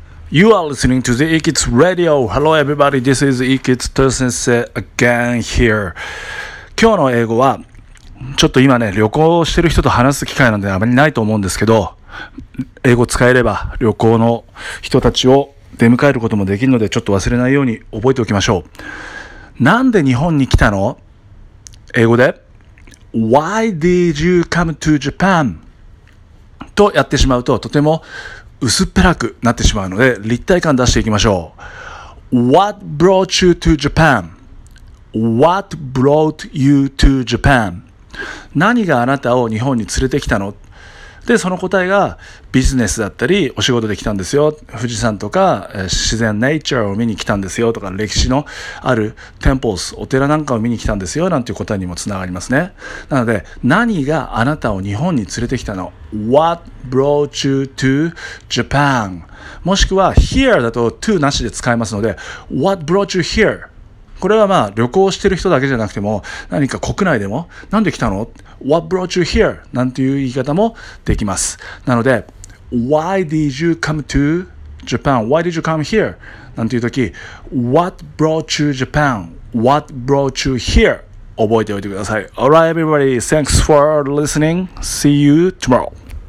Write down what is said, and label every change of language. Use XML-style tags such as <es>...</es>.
<en>You are listening to the Ikits Radio. Hello everybody, this is Ikits Tō Sensei again here.</en> <ja>今日の英語は、ちょっと今ね、旅行してる人と話す機会なんてあまりないと思うんですけど、英語使えれば旅行の人たちを出迎えることもできるので、ちょっと忘れないように覚えておきましょう。なんで日本に来たの？</ja> <en>英語で、 Why did you come to Japan?</en> <ja>とやってしまうと、とても薄っぺらくなってしまうので、立体感出していきましょう。</ja> <en>What brought you to Japan? What brought you to Japan?</en> <ja>何があなたを日本に連れてきたの？で、その答えがビジネスだったり、お仕事で来たんですよ。富士山とか、自然、ネイチャーを見に来たんですよとか、歴史のあるテンポス、お寺なんかを見に来たんですよ、なんていう答えにもつながりますね。なので、何があなたを日本に連れてきたの？</ja> <en>What brought you to Japan?</en> <ja>もしくは、here だと to なしで使えますので、 What brought you here? これはまあ旅行してる人だけじゃなくても何か国内でもなんで来たの What brought you here? なんていう言い方もできます。</ja> <en>なので Why did you come to Japan? Why did you come here? なんていう時 What brought you Japan? What brought you here? 覚えておいてください。 Alright everybody, thanks for listening. See you tomorrow.</en>